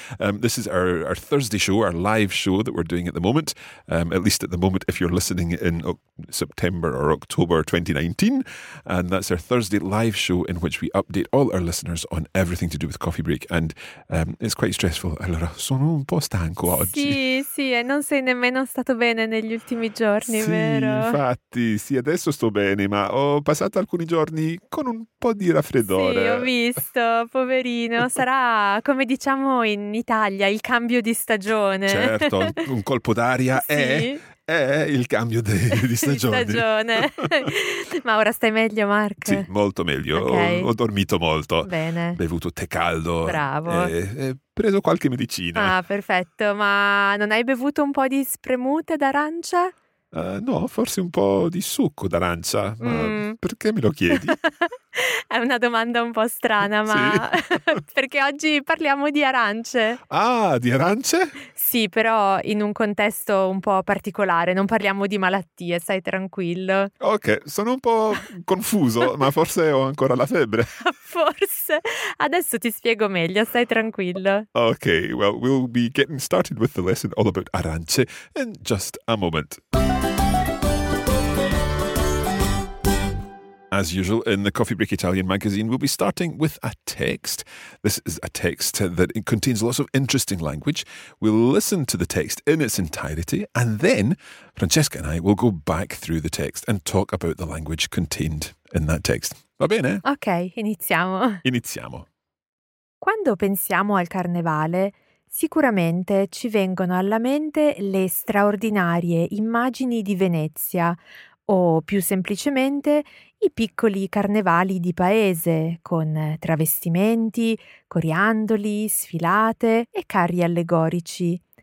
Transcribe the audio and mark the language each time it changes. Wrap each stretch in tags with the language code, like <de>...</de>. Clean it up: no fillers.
<en>This is our Thursday show, our live show that we're doing at the moment, at least at the moment if you're listening in September or October 2019. And that's our Thursday live show in which we update all our listeners on everything to do with coffee break. And it's quite stressful.</en> <it>Allora, sono un po' stanco oggi. Sì, e non sei nemmeno stato bene negli ultimi giorni, vero? Sì, infatti. Sì, adesso sto bene, ma ho passato alcuni giorni con un po' di raffreddore. Sì, ho visto, poverino. Sarà, come diciamo in Italia, il cambio di stagione. Certo, un colpo d'aria è il cambio di stagione. Ma ora stai meglio, Mark? Sì, molto meglio. Okay. Ho dormito molto. Bene. Bevuto tè caldo. Bravo. E preso qualche medicina. Ah, perfetto. Ma non hai bevuto un po' di spremute d'arancia? No, forse un po' di succo d'arancia, ma perché me lo chiedi? È una domanda un po' strana, ma perché oggi parliamo di arance. Ah, di arance? Sì, però in un contesto un po' particolare, non parliamo di malattie, stai tranquillo. Ok, sono un po' confuso, ma forse ho ancora la febbre. Forse. Adesso ti spiego meglio, stai tranquillo.</it> <en>Ok, well, we'll be getting started with the lesson all about arance in just a moment. As usual, in the Coffee Break Italian magazine, we'll be starting with a text. This is a text that contains lots of interesting language. We'll listen to the text in its entirety, and then Francesca and I will go back through the text and talk about the language contained in that text.</en> <it>Va bene? Ok, iniziamo. Iniziamo. Quando pensiamo al carnevale, sicuramente ci vengono alla mente le straordinarie immagini di Venezia, o più semplicemente i piccoli carnevali di paese con travestimenti, coriandoli, sfilate e carri allegorici.</it>